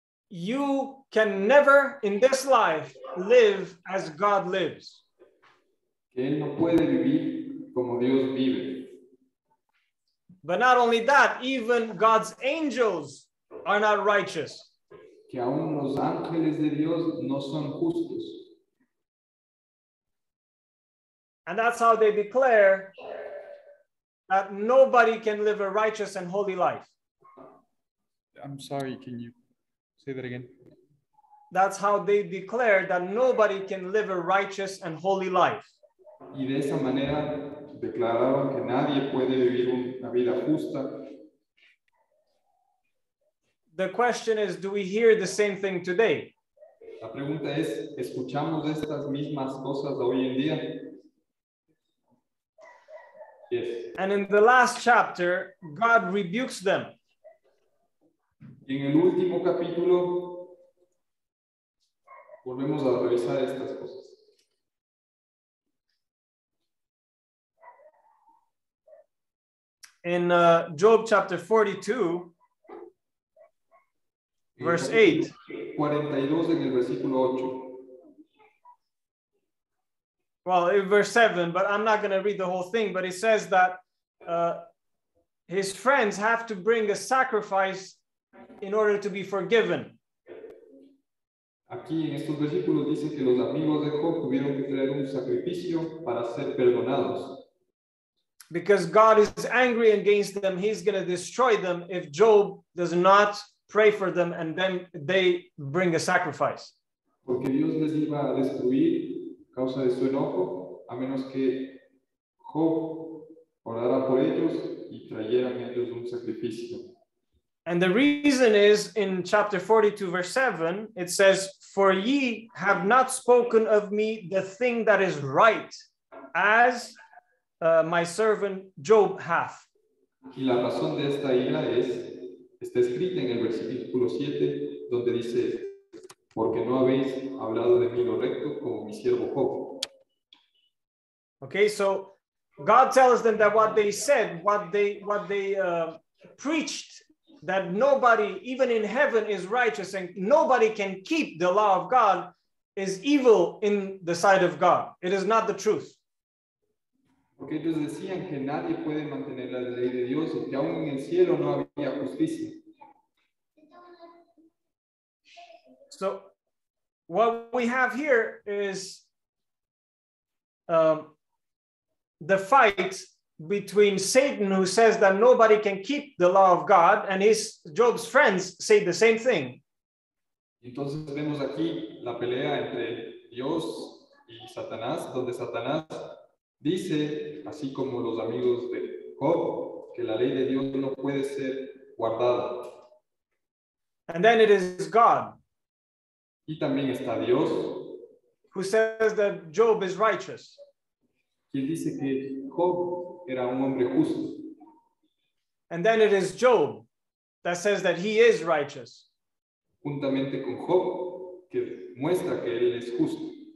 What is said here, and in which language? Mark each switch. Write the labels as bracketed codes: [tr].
[en] You can never in this life live as God lives. [es] Él no puede vivir como Dios vive. [en] But not only that, even God's angels are not righteous. [es] Que aún los ángeles de Dios no son justos. [en] And that's how they declare that nobody can live a righteous and holy life. I'm sorry, can you say that again? That's how they declare that nobody can live a righteous and holy life. [es] Y de esa manera declararon que nadie puede vivir una vida justa. [en] The question is, do we hear the same thing today? [es] La pregunta es, ¿escuchamos estas mismas cosas hoy en día? [en] Yes. And in the last chapter, God rebukes them. [es] En el último capítulo, volvemos a revisar estas cosas. [en] In Job chapter 42, verse 8. [es] 42 en el versículo 8. [en] Well, in verse 7, but I'm not going to read the whole thing, but it says that his friends have to bring a sacrifice in order to be forgiven. [es] Aquí en estos versículos dice que los amigos de Job tuvieron que traer un sacrificio para ser perdonados. [en] Because God is angry against them, he's going to destroy them if Job does not pray for them and then they bring a sacrifice. [es] Porque Dios les iba a destruir causa de su enojo, a menos que Job orara por ellos y trajeran ellos un sacrificio. [en] And the reason is, in chapter 42, verse 7, it says, for ye have not spoken of me the thing that is right, as... my servant Job hath. [es] Y la razón de esta ira es, está escrita en el versículo 7, donde dice, porque no habéis hablado de mí lo recto como mi siervo Job. [en] Okay, so God tells them that what they said, what they preached, that nobody, even in heaven, is righteous and nobody can keep the law of God, is evil in the sight of God. It is not the truth. [es] Porque ellos decían que nadie puede mantener la ley de Dios y que aún en el cielo no había justicia. [en] So what we have here is the fight between Satan, who says that nobody can keep the law of God, and his Job's friends say the same thing. [es] Entonces vemos aquí la pelea entre Dios y Satanás, donde Satanás dice, así como los amigos de Job, que la ley de Dios no puede ser guardada. [en] And then it is God. [es] Y también está Dios. [en] Who says that Job is righteous. [es] Quien dice que Job era un hombre justo. [en] And then it is Job that says that he is righteous. [es] Juntamente con Job, que muestra que él es justo.